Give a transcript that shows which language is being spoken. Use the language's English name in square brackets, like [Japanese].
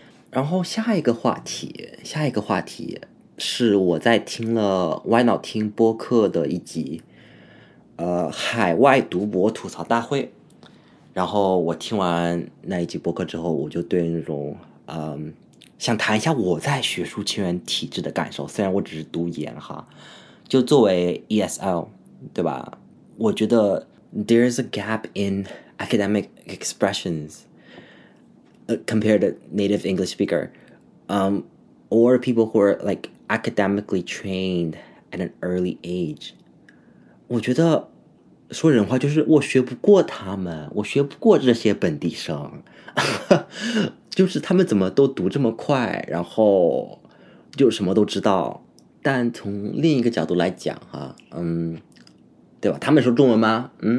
[Chinese] 然后下一个话题是我在听了歪脑听播客的一集海外读博吐槽大会。然后我听完那一集播客之后，我就对那种想谈一下我在学术圈原体制的感受，虽然我只是读研哈。就作为 ESL 对吧，我觉得 [English] there's a gap in academic expressions compared to native English speaker or people who are like academically trained at an early age。 [Chinese] 我觉得说人话就是我学不过他们，我学不过这些本地生就是他们怎么都读这么快，然后就什么都知道。但从另一个角度来讲哈，对吧，他们说中文吗？